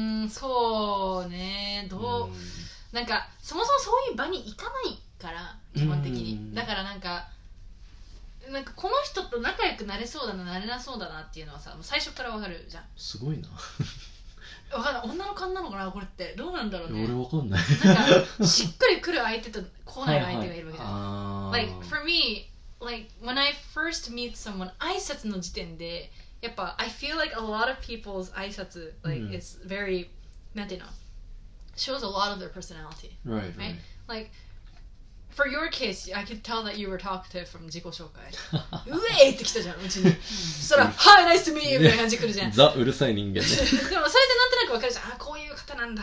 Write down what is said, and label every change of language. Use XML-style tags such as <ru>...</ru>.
<ja>そうね、どう、なんかそもそもそういう場に行かないから基本的に、だからなんかこの人と仲良くなれそうだな、なれなそうだなっていうのはさ、もう最初からわかるじゃん。すごいな。わかんない、女の勘なのかなこれって、どうなんだろうね、俺わかんない。なんかしっくりくる相手と来ない相手がいるわけだ、は</ja> <en>いはい、like for me, like when I first meet someone,</en> <ja>挨拶の時点でやっぱ</ja> <en>I feel like a lot of people's 挨拶 like、it's very</en> <ja>なんていうの、</ja> <en>shows a lot of their personality, right? Like for your case, I could tell that you were talkative from 自己紹介。</en> <ja>ウェイって来たじゃん、うちに。そら、ハイナイスとミーみたいな感じ来るじゃん。ザ、うるさい人間でもそれでなんとなく分かるじゃん。あ、こういう方なんだ。</ja>